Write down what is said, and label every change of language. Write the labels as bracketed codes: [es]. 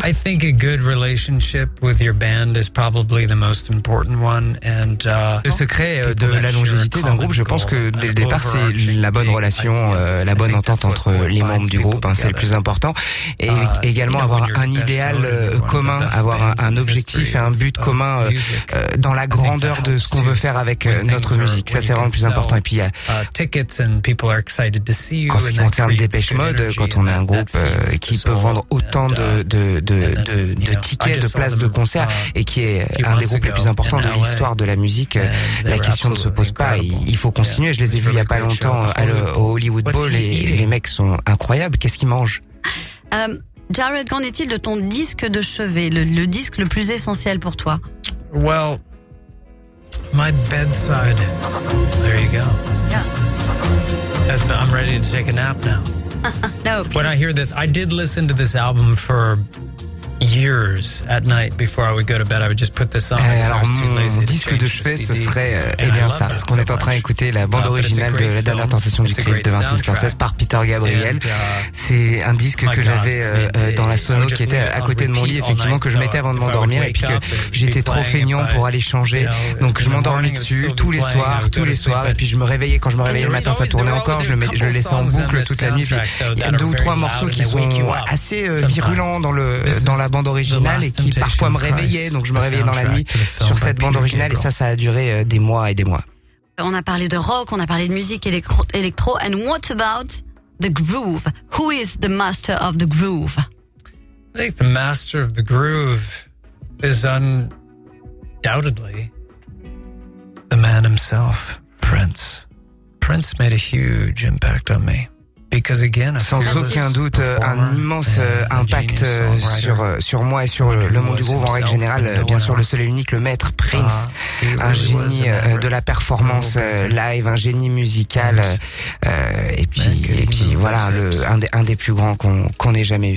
[en] I think a good relationship with your band is probably the most important one. And, [fr] le secret de la longévité d'un groupe, je pense que dès le départ, c'est la bonne relation, la bonne entente entre les membres du groupe, c'est le plus important. Et également avoir un idéal commun, avoir un objectif et un but commun dans la grandeur de ce qu'on veut faire avec notre musique. Ça, c'est vraiment le plus important. Et puis, en termes Depeche Mode, quand on a un groupe qui peut vendre autant de tickets, de places de concert, et qui est un des groupes les plus importants de l'histoire de la musique, la question ne se pose pas. Il faut continuer. Je les ai vus il n'y a pas longtemps au Hollywood Bowl, et les mecs sont incroyables. Qu'est-ce qu'ils mangent? Jared, qu'en est-il de ton disque de chevet, le disque le plus essentiel pour toi? [en] Well, my bedside. There you go. I'm ready to take a nap now. No, please. When I hear this, I did listen to this album for years at night before I would go to bed. I would just put this on. [fr] Alors mon disque de chevet, ce serait ça, ce qu'on est en train d'écouter, la bande originale de La Dernière Tentation du Christ de 1996 par Peter Gabriel. C'est un disque que j'avais dans la sono qui était à côté de mon lit, effectivement, que je mettais avant de m'endormir, et puis que j'étais trop feignant pour aller changer, donc je m'endormais dessus tous les soirs, et puis je me réveillais, quand je me réveillais le matin, ça tournait encore, je le laissais en boucle toute la nuit. Il y a deux ou trois morceaux qui sont assez virulents dans la bande originale et qui parfois me réveillait, donc je me réveillais dans la nuit sur cette bande originale, et ça a duré des mois et des mois. On a parlé de rock, on a parlé de musique électro, [en] and what about the groove? Who is the master of the groove? I think the master of the groove is undoubtedly the man himself, Prince. Prince made a huge impact on me. Because again, [fr] sans aucun doute, un immense impact sur moi et sur le monde du groove en règle générale. Bien sûr, le seul et unique, le maître Prince, un génie de la performance live, un génie musical, et puis voilà, un des plus grands qu'on ait jamais eu.